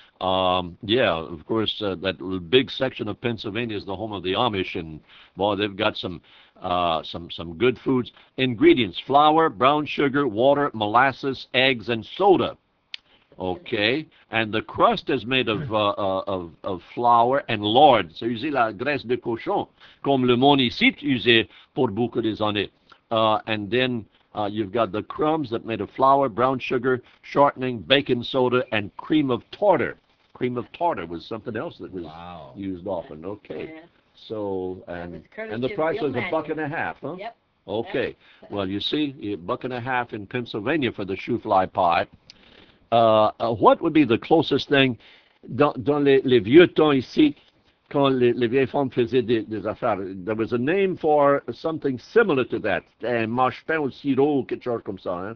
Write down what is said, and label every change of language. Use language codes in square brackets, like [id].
[en] Yeah, of course, that big section of Pennsylvania is the home of the Amish, and boy, they've got some good foods. Ingredients: flour, brown sugar, water, molasses, eggs, and soda. Okay, and the crust is made of flour and lard. [fr] C'est usé la graisse de cochon, comme le monde ici usé pour beaucoup des années. [en] And then you've got the crumbs that are made of flour, brown sugar, shortening, baking soda, and cream of tartar. Cream of tartar was something else that was wow. used often. Okay, yeah. so and the price was magic. A buck and a half, huh? Yep. Okay, well, you see, a buck and a half in Pennsylvania for the shoe fly pie. [fr] What would be the closest thing dans les vieux temps ici, quand les vieilles femmes faisaient des affaires? [en] There was a name for something similar to that. [fr] Mâche pain au sirop, quelque chose comme ça.